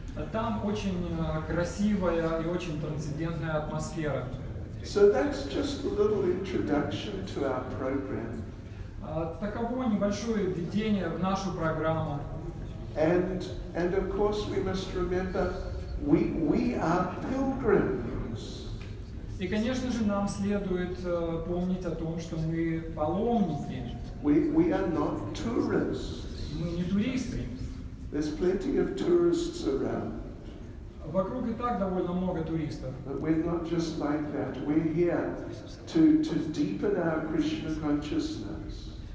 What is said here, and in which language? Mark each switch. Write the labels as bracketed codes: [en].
[ru] Там очень красивая и очень трансцендентная атмосфера. [en] So that's just a little introduction to our program. [ru] Таково небольшое введение в нашу программу. [en] And of course we must remember we are pilgrims. [ru] И, конечно же, нам следует помнить о том, что мы паломники. [en] We are not tourists. [ru] Мы не туристы. [en] There's plenty of tourists around. [ru] Вокруг и так довольно много туристов. [en] But we're not just like that. We're here to deepen our Krishna consciousness.